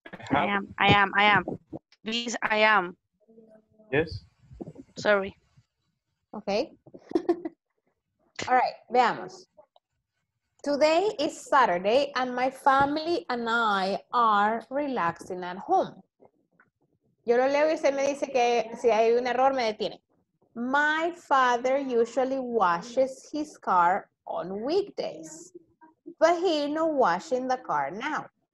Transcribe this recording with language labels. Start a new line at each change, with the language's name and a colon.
English: I am. Please, I am. Yes. Sorry. Okay. All right, veamos. Today is Saturday and my family and I are relaxing at home.
Spanish: Yo lo leo y usted me dice que si hay un error me detiene.
English: My father usually washes his car on weekdays, but he no washing the car now.